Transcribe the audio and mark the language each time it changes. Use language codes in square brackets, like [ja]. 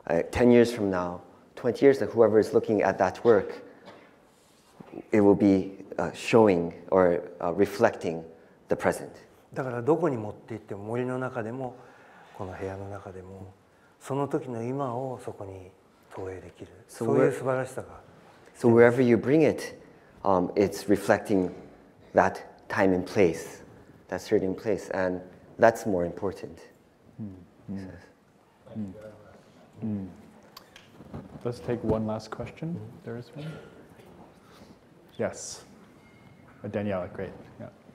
[en] 10 years from now, 20 years, whoever is looking at that work, it will be showing or reflecting the present. [ja] だからどこに持って行っても森の中でもこの部屋の中でもその時の今をそこに投影できる、so、そういう素晴らしさが [en] So wherever you bring it、it's reflecting that time and place that certain place and that's more important、 Let's take one last question. There is one. Yes. Daniela, great. Yeah.